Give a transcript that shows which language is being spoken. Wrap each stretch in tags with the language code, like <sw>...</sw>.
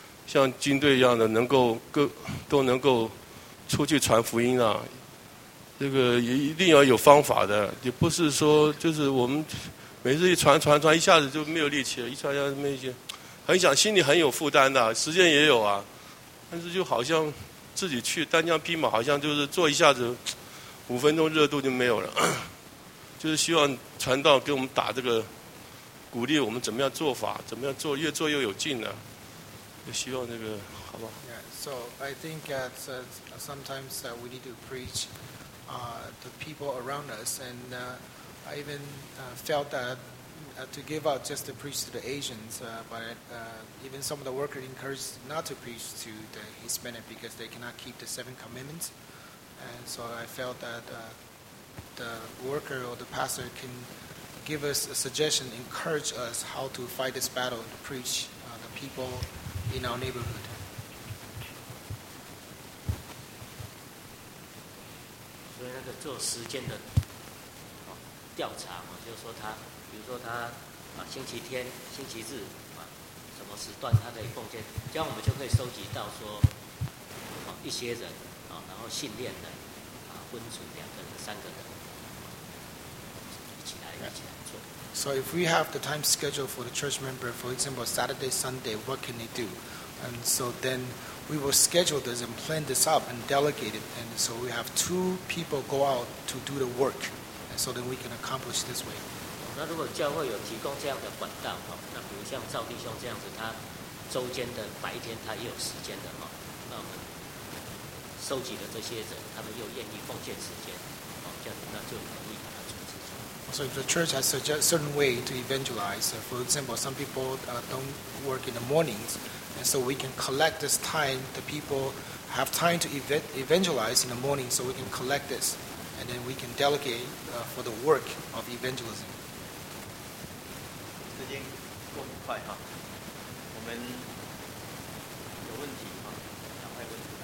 <zh>像军队一样的能够各都能够出去传福音啊，这个也一定要有方法的，也不是说就是我们每次一传传传一下子就没有力气了，一传一下子没力气，很想心里很有负担的，时间也有啊，但是就好像自己去单枪匹马，好像就是做一下子五分钟热度就没有了，就是希望传道给我们打这个鼓励，我们怎么样做法，怎么样做，越做越有劲呢，也希望这个好不好。</zh> <en>So I think that sometimes we need to preach to people around us, and I even felt that to give out just to preach to the Asians, but even some of the workers encouraged not to preach to the Hispanic because they cannot keep the seven commandments. And so I felt that the worker or the pastor can give us a suggestion, encourage us how to fight this battle to preach the people in our neighborhood.</en> <zh>所以那个做时间的调查嘛，就是说他，比如说他星期天、星期日什么时段他可以奉献，这样我们就可以收集到说一些人然后训练的分组两个人、三个人一起来做。</zh> <en>So if we have the time schedule for the church member, for example, Saturday, Sunday, what can they do? And so then. We will schedule this and plan this up and delegate it. And so we have two people go out to do the work. And so then we can accomplish this way.</en> <zh>那如果教会有提供这样的管道，那比如像赵弟兄这样子，他周间的白天他也有时间的，那我们收集了这些人，他们又愿意奉献时间，这样子那就容易把它组织出来。</zh> <en>So if the church has a certain way to evangelize, for example, some people don't work in the mornings,And so we can collect this time, the people have time to evangelize in the morning, so we can collect this, and then we can delegate for the work of evangelism.</en> <zh>时间过很快哈，我们有问题哈，赶快问。</zh>